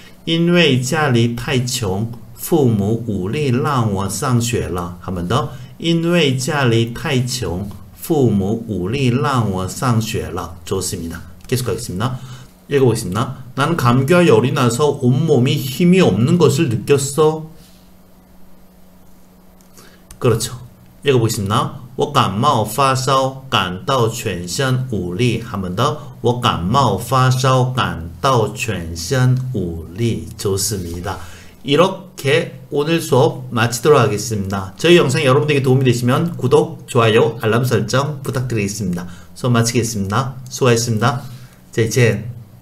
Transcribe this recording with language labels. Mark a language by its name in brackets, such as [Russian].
[Chinese] 因为家里太穷，父母无力让我上学了. [Korean] 한 번 더. [Chinese] 因为家里太穷, [Korean] 부모 우리 랑워 상쉐라 좋습니다. 계속하겠습니다. 읽어보겠습니다. 난 감기와 열이 나서 온몸이 힘이 없는 것을 느꼈어. 그렇죠. 읽어보겠습니다. [Chinese] 我感冒发烧感到全身无力 [Korean] 한번 더. [Chinese] 我感冒发烧感到全身无力 [Korean] 좋습니다. 이렇게 오늘 수업 마치도록 하겠습니다. 저희 영상 여러분들에게 도움이 되시면 구독, 좋아요, 알람 설정 부탁드리겠습니다. 수업 마치겠습니다. 수고하셨습니다. 제제.